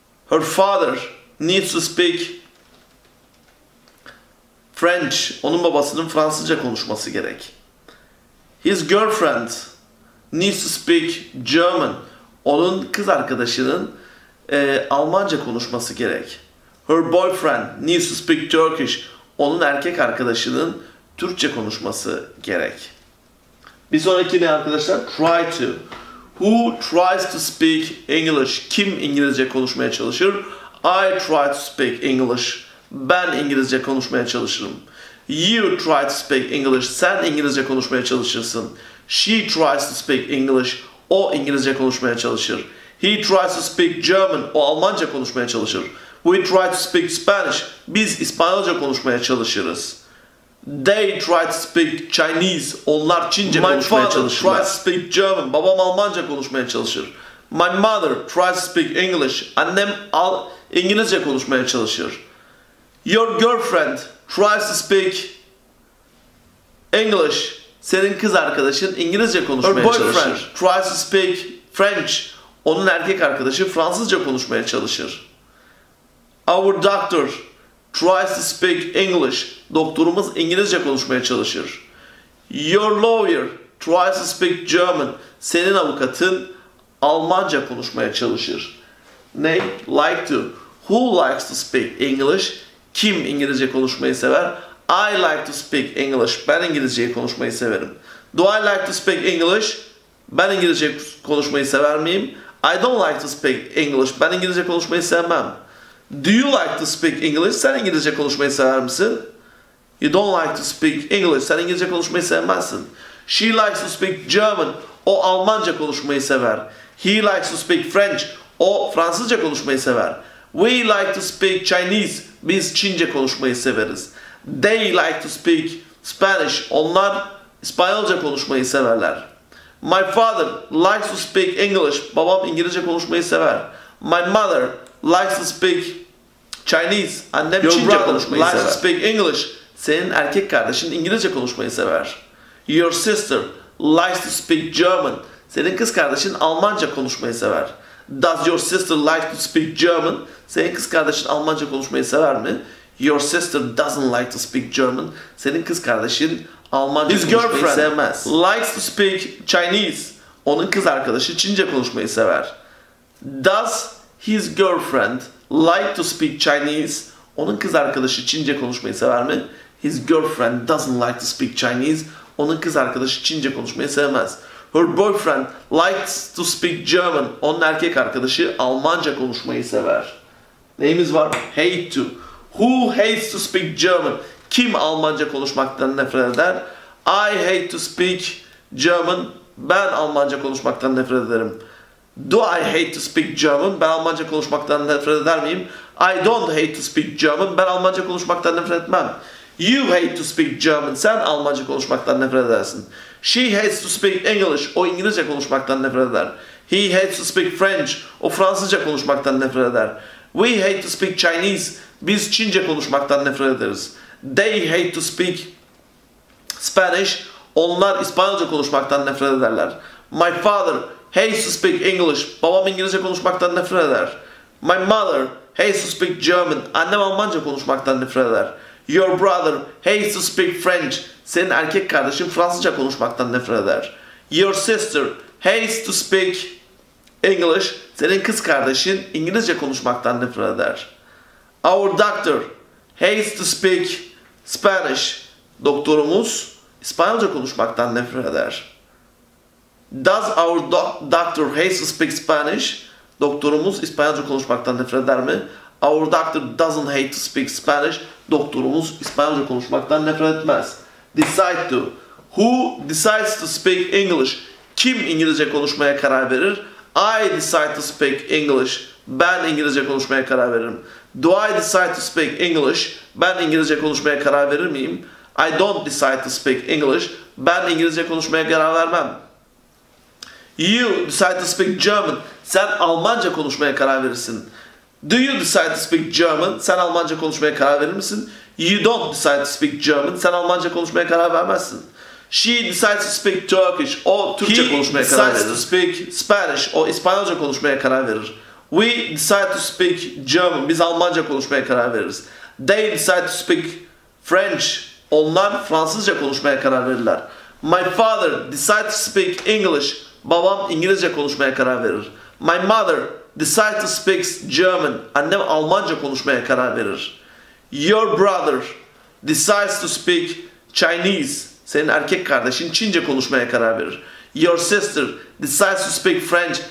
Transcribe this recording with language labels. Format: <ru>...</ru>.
<en>Her father needs to speak French.</en> <tr>Onun babasının Fransızca konuşması gerek.</tr> <en>His girlfriend needs to speak German.</en> <tr>Onun kız arkadaşının Almanca konuşması gerek.</tr> <en>Her boyfriend needs to speak Turkish.</en> <tr>Onun erkek arkadaşının Türkçe konuşması gerek. Bir sonraki ne arkadaşlar?</tr> <en>Try to. Who tries to speak English?</en> <tr>Kim İngilizce konuşmaya çalışır?</tr> <en>I try to speak English.</en> <tr>Ben İngilizce konuşmaya çalışırım.</tr> <en>You try to speak English.</en> <tr>Sen İngilizce konuşmaya çalışırsın.</tr> <en>She tries to speak English.</en> <tr>O İngilizce konuşmaya çalışır.</tr> <en>He tries to speak German.</en> <tr>O Almanca konuşmaya çalışır.</tr> <en>We try to speak Spanish.</en> <tr>Biz İspanyolca konuşmaya çalışırız.</tr> <en>They try to speak Chinese.</en> <tr>Onlar Çince konuşmaya çalışırlar.</tr> <en>My father tries to speak German.</en> <tr>Babam Almanca konuşmaya çalışır.</tr> <en>My mother tries to speak English.</en> <tr>Annem İngilizce konuşmaya çalışır.</tr> <en>Your girlfriend tries to speak English.</en> <tr>Senin kız arkadaşın İngilizce konuşmaya çalışır.</tr> <en>Her boyfriend tries to speak French.</en> <tr>Onun erkek arkadaşı Fransızca konuşmaya çalışır.</tr> <en>Our doctor tries to speak English.</en> <tr>Doktorumuz İngilizce konuşmaya çalışır.</tr> <en>Your lawyer tries to speak German.</en> <tr>Senin avukatın Almanca konuşmaya çalışır. Ne?</tr> <en>Like to. Who likes to speak English?</en> <tr>Kim İngilizce konuşmayı sever?</tr> <en>I like to speak English.</en> <tr>Ben İngilizceyi konuşmayı severim.</tr> <en>Do I like to speak English?</en> <tr>Ben İngilizce konuşmayı sever miyim?</tr> <en>I don't like to speak English.</en> <tr>Ben İngilizce konuşmayı sevmem.</tr> <en>Do you like to speak English?</en> <tr>Sen İngilizce konuşmayı sever misin?</tr> <en>You don't like to speak English.</en> <tr>Sen İngilizce konuşmayı sevmezsin.</tr> <en>She likes to speak German.</en> <tr>O Almanca konuşmayı sever.</tr> <en>He likes to speak French.</en> <tr>O Fransızca konuşmayı sever.</tr> <en>We like to speak Chinese.</en> <tr>Biz Çince konuşmayı severiz.</tr> <en>They like to speak Spanish.</en> <tr>Onlar İspanyolca konuşmayı severler.</tr> <en>My father likes to speak English.</en> <tr>Babam İngilizce konuşmayı sever.</tr> <en>My mother likes to speak Chinese.</en> <tr>Annem</tr> <en>Your</en> <tr>Çince</tr> <en>brother</en> <tr>konuşmayı</tr> <en>likes</en> <tr>sever.</tr> <en>To speak English.</en> <tr>Senin erkek kardeşin İngilizce konuşmayı sever.</tr> <en>Your sister likes to speak German.</en> <tr>Senin kız kardeşin Almanca konuşmayı sever.</tr> <en>Does your sister like to speak German?</en> <tr>Senin kız kardeşin Almanca konuşmayı sever mi?</tr> <en>Your sister doesn't like to speak German.</en> <tr>Senin kız kardeşin Almanca</tr> <en>His</en> <tr>konuşmayı sevmez.</tr> <en>His girlfriend likes to speak Chinese.</en> <tr>Onun kız arkadaşı Çince konuşmayı sever.</tr> <en>Does his girlfriend like to speak Chinese?</en> <tr>Onun kız arkadaşı Çince konuşmayı sever mi?</tr> <en>His girlfriend doesn't like to speak Chinese.</en> <tr>Onun kız arkadaşı Çince konuşmayı sevmez.</tr> <en>Her boyfriend likes to speak German.</en> <tr>Onun erkek arkadaşı Almanca konuşmayı sever. Neyimiz var?</tr> <en>Hate to. Who hates to speak German?</en> <tr>Kim Almanca konuşmaktan nefret eder?</tr> <en>I hate to speak German.</en> <tr>Ben Almanca konuşmaktan nefret ederim.</tr> <en>Do I hate to speak German?</en> <tr>Ben Almanca konuşmaktan nefret eder miyim?</tr> <en>I don't hate to speak German.</en> <tr>Ben Almanca konuşmaktan nefret etmem.</tr> <en>You hate to speak German.</en> <tr>Sen Almanca konuşmaktan nefret edersin.</tr> <en>She hates to speak English.</en> <tr>O İngilizce konuşmaktan nefret eder.</tr> <en>He hates to speak French.</en> <tr>O Fransızca konuşmaktan nefret eder.</tr> <en>We hate to speak Chinese.</en> <tr>Biz Çince konuşmaktan nefret ederiz.</tr> <en>They hate to speak Spanish.</en> <tr>Onlar İspanyolca konuşmaktan nefret ederler.</tr> <en>My father hates to speak English.</en> <tr>Babam İngilizce konuşmaktan nefret eder.</tr> <en>My mother hates to speak German.</en> <tr>Annem Almanca konuşmaktan nefret eder.</tr> <en>Your brother hates to speak French.</en> <tr>Senin erkek kardeşin Fransızca konuşmaktan nefret eder.</tr> <en>Your sister hates to speak English.</en> <tr>Senin kız kardeşin İngilizce konuşmaktan nefret eder.</tr> <en>Our doctor hates to speak Spanish.</en> <tr>Doktorumuz İspanyolca konuşmaktan nefret eder.</tr> <en>Does our doctor hate to speak Spanish?</en> <tr>Doktorumuz İspanyolca konuşmaktan nefret eder mi?</tr> <en>Our doctor doesn't hate to speak Spanish.</en> <tr>Doktorumuz İspanyolca konuşmaktan nefret etmez.</tr> <en>Decide to. Who decides to speak English?</en> <tr>Kim İngilizce konuşmaya karar verir?</tr> <en>I decide to speak English.</en> <tr>Ben İngilizce konuşmaya karar veririm.</tr> <en>Do I decide to speak English?</en> <tr>Ben İngilizce konuşmaya karar verir miyim?</tr> <en>I don't decide to speak English.</en> <tr>Ben İngilizce konuşmaya karar vermem.</tr> <en>You decide to speak German.</en> <tr>Sen Almanca konuşmaya karar verirsin.</tr> <en>Do you decide to speak German?</en> <tr>Sen Almanca konuşmaya karar verir misin?</tr> <en>You don't decide to speak German.</en> <tr>Sen Almanca konuşmaya karar vermezsin.</tr> <en>She decides to speak Turkish.</en> <tr>O Türkçe konuşmaya karar verir.</tr> <en>He decides to speak Spanish.</en> <tr>O İspanyolca konuşmaya karar verir.</tr> <en>We decide to speak German.</en> <tr>Biz Almanca konuşmaya karar veririz.</tr> <en>They decide to speak French.</en> <tr>Onlar Fransızca konuşmaya karar verirler.</tr> <en>My father decides to speak English.</en> <tr>Babam İngilizce konuşmaya karar verir.</tr> <en>My mother decides to speak German.</en> <tr>Annem Almanca konuşmaya karar verir.</tr> <en>Your brother decides to speak Chinese.</en> <tr>Senin erkek kardeşin Çince konuşmaya karar verir.</tr> <en>Your sister decides to speak French.</en>